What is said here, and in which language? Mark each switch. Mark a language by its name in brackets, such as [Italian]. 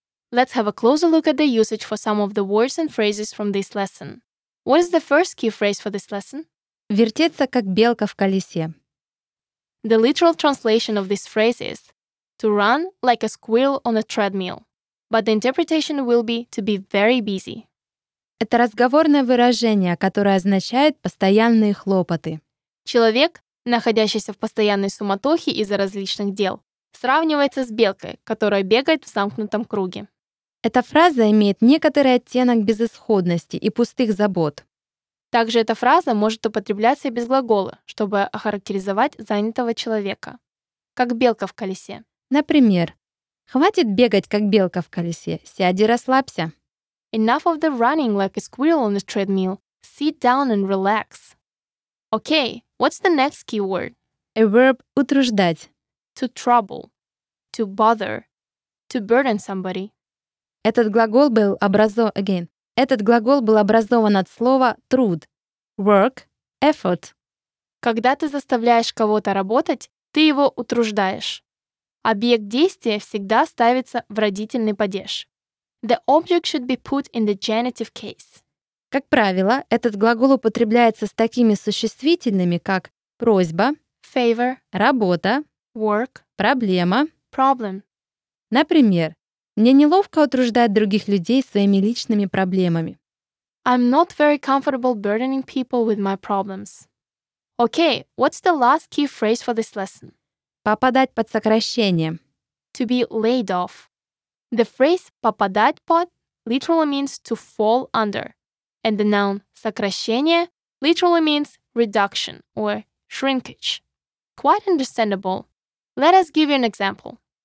[English] Let's have a closer look at the usage for some of the words and phrases from this lesson. What is the first key phrase for this lesson? [Russian] Вертеться как белка в колесе. [English] The literal translation of this phrase is to run like a squirrel on a treadmill. But the interpretation will be to be very busy. [Russian] Это разговорное выражение, которое означает постоянные хлопоты. Человек, находящийся в постоянной суматохе из-за различных дел, сравнивается с белкой, которая бегает в замкнутом круге. Эта фраза имеет некоторый оттенок безысходности и пустых забот. Также эта фраза может употребляться и без глагола, чтобы охарактеризовать занятого человека. Как белка в колесе. Например, хватит бегать, как белка в колесе. Сядь и расслабься. [English] Enough of the running like a squirrel on a treadmill. Sit down and relax. Okay, what's the next keyword? A verb утруждать. To trouble. To bother. To burden somebody. [Russian] Этот глагол был образован от слова труд. [English] Work, effort. [Russian] Когда ты заставляешь кого-то работать, ты его утруждаешь. Объект действия всегда ставится в родительный падеж. [English] The object should be put in the genitive case. [Russian] Как правило, этот глагол употребляется с такими существительными, как просьба, [English] favor, [Russian] работа, [English] work, [Russian] проблема, [English] problem. [Russian] Например, мне неловко утруждать других людей своими личными проблемами. [English] I'm not very comfortable burdening people with my problems. Okay, what's the last key phrase for this lesson? [Russian] Попадать под сокращение. [English] To be laid off. The phrase [Russian] попадать под [English] literally means to fall under. And the noun сокращение literally means reduction or shrinkage. Quite understandable. Let us give you an example.